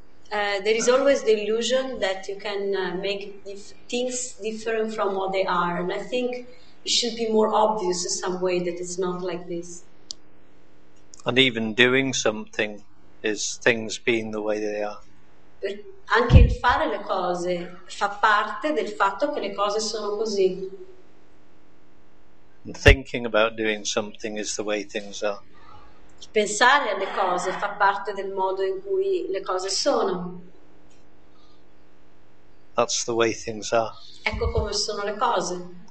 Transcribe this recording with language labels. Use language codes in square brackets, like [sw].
[en] There is always the illusion that you can make things different from what they are, and I think it should be more obvious in some way that it's not like this. And even doing something is things being the way they are. [it] Anche il fare le cose fa parte del fatto che le cose sono così. [en] And thinking about doing something is the way things are. [it] Pensare alle cose fa parte del modo in cui le cose sono. [en] That's the way things are. [it] Ecco come sono le cose.